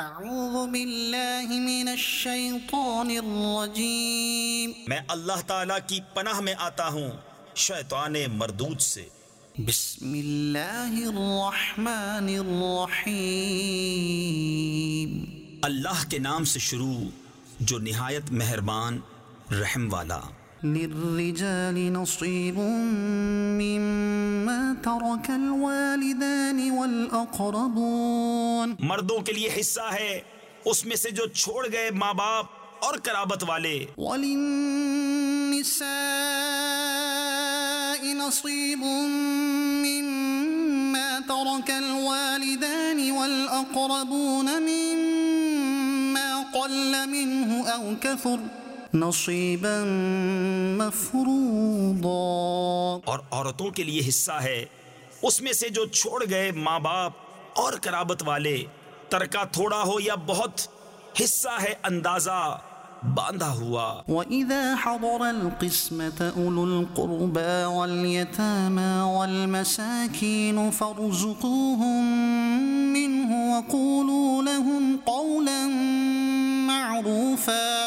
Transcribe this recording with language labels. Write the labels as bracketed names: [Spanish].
[Arabic] اعوذ بالله من الشيطان الرجيم [Urdu] میں اللہ تعالی کی پناہ میں آتا ہوں شیطان مردود سے [Arabic] بسم اللہ الرحمن الرحیم [Urdu] اللہ کے نام سے شروع جو نہایت مہربان رحم والا [Arabic] للرجال نصيب مما ترك الوالدان والأقربون [Urdu] مردوں کے لیے حصہ ہے اس میں سے جو چھوڑ گئے ماں باپ اور قرابت والے [Arabic] وللنساء نصيب مما ترك الوالدان والأقربون مما قل منه أو كثر نصیبا مفروضا [Urdu] اور عورتوں کے لیے حصہ ہے اس میں سے جو چھوڑ گئے ماں باپ اور قرابت والے ترکہ تھوڑا ہو یا بہت حصہ ہے اندازہ باندھا ہوا [Arabic] وَإِذَا حَضَرَ الْقِسْمَةَ أُولُو الْقُرْبَى وَالْيَتَامَى وَالْمَسَاكِينُ فَارْزُقُوهُمْ مِنْهُ وَقُولُوا لَهُمْ قَوْلًا مَعْرُوفًا